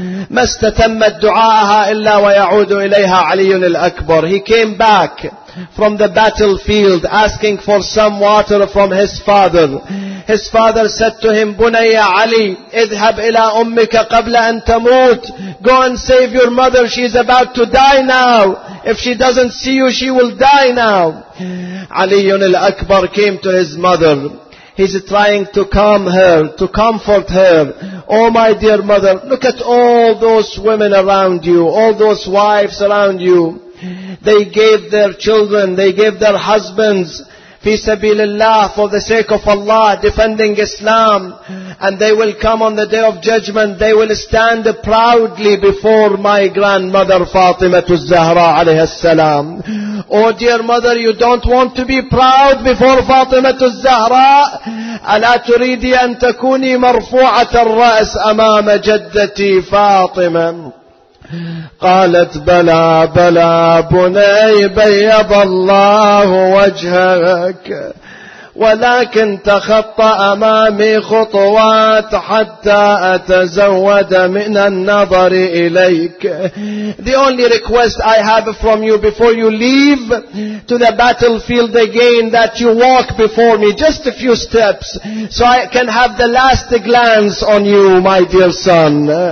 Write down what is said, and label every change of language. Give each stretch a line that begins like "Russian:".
Arabic: ما استتمت دعاءها إلا ويعود إليها علي الأكبر.
English: He came back from the battlefield asking for some water from his father. His father said to him,
Arabic: Bunayya Ali, idhhab ila ummika qabla an tamut.
English: Go and save your mother. She is about to die now. If she doesn't see you, she will die now. Ali al-Akbar came to his mother. He's trying to calm her, to comfort her. Oh, my dear mother, look at all those women around you, all those wives around you. They gave their children, they gave their husbands
Arabic: في سبيل الله,
English: for the sake of Allah, defending Islam. And they will come on the day of judgment. They will stand proudly before my grandmother Fatima al-Zahra alayha salam. Oh dear mother, you don't want to be proud before Fatima al-Zahra?
Arabic: ألا تريدي أن تكوني مرفوعة الرأس أمام جدتي فاطمة؟ قالت بلى بلى بني بيض الله وجهك ولكن تخطى أمامي خطوات حتى أتزود من النظر إليك.
English: The only request I have from you before you leave to the battlefield again, that you walk before me just a few steps so I can have the last glance on you, my dear son.